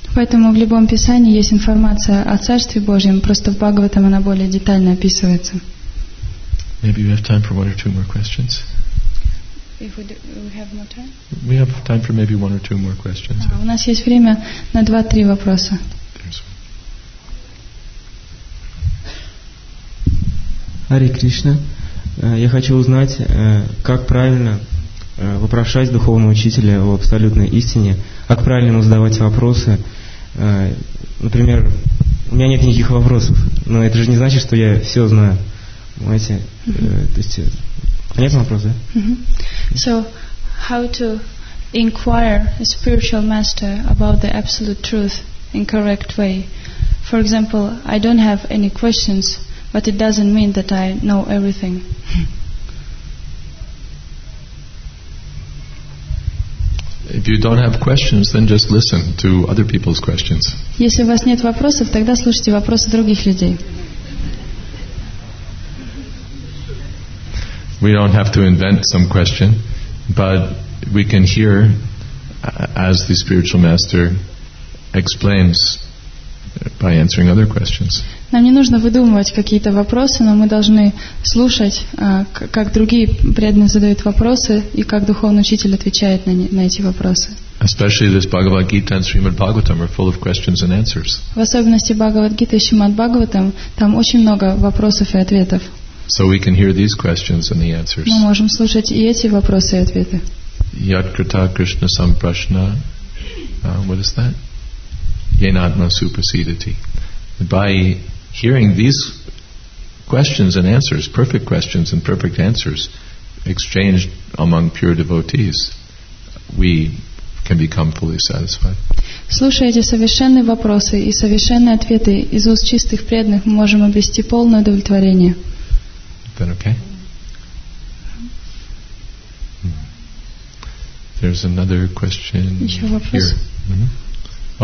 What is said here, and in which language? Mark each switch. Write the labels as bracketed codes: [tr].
[ru] Поэтому в любом писании есть информация о Царстве Божьем, просто в Бхагаватам она более детально описывается. [en] Maybe we have time for one or two more questions. If we, do, we have more time? We have time for maybe one or two more questions. [ru] У нас есть время на 2-3 вопроса. Hare Krishna. Я хочу узнать, как правильно вопрошать духовного учителя о абсолютной истине, как правильно ему задавать вопросы. Например, у меня нет никаких вопросов, но это же не значит, что я все знаю. Понимаете? То есть, понятный вопрос, да? [en] So, how to inquire a spiritual master about the absolute truth in correct way? For example, I don't have any questions, but it doesn't mean that I know everything. If you don't have questions, then just listen to other people's questions. [ru] Если у вас нет вопросов, тогда слушайте вопросы других людей. [en] We don't have to invent some question, but we can hear as the spiritual master explains by answering other questions. [ru] Нам не нужно выдумывать какие-то вопросы, но мы должны слушать, как другие преданные задают вопросы и как духовный учитель отвечает на эти вопросы. [en] Especially this Bhagavad Gita and Srimad Bhagavatam are full of questions and answers. [ru] В особенности Бхагавад Гита и Шримад Бхагаватам там очень много вопросов и ответов. [en] So we can hear these questions and the answers. [ru] Мы можем слушать и эти вопросы и ответы. [sa] Yat krita krishna samprashna. [en] What is that? [sa] Yenatma supasidati. [en] By hearing these questions and answers, perfect questions and perfect answers, exchanged among pure devotees, we can become fully satisfied. [ru] Слушая эти совершенные вопросы и совершенные ответы из уст чистых преданных, мы можем обрести полное удовлетворение. [en] Then okay. There's another question here. Mm-hmm.